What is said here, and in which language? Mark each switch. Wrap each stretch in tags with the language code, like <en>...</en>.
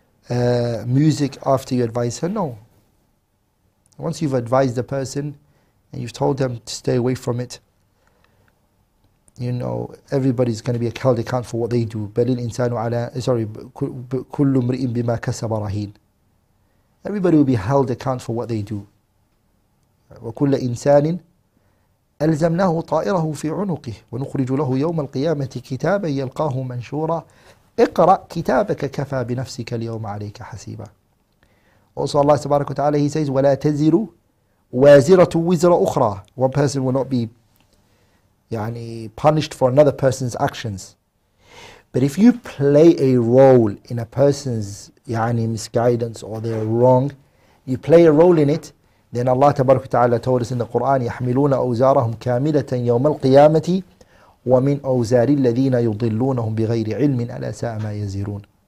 <en>Music after you advise her? No. Once you've advised the person and you've told them to stay away from it, you know, everybody's going to be held account for what they do.</en> <ar>Kullu mri'in bima kasaba rahin.</ar> <en>Everybody will be held account for what they do.</en> <ar>وكل إنسان ألزمناه طائره في عنقه ونخرج له يوم القيامة كتابا يلقاه منشورا اقرأ كتابك كفى بنفسك اليوم عليك حسيبا.</ar> <en>Also Allah سبحانه وتعالى, He says ولا تزر وازرة وزر أخرى. One person will not be punished for another person's actions. But if you play a role in a person's misguidance or their wrong, you play a role in it, then Allah tabarak wa ta'ala told us in the Quran, يَحْمِلُونَ أَوْزَارَهُمْ كَامِلَةً يَوْمَ الْقِيَامَةِ وَمِنْ أَوْزَارِ الَّذِينَ يُضِلُّونَهُمْ بِغَيْرِ عِلْمٍ أَلَا سَاءَ مَا يَزِرُونَ.</en>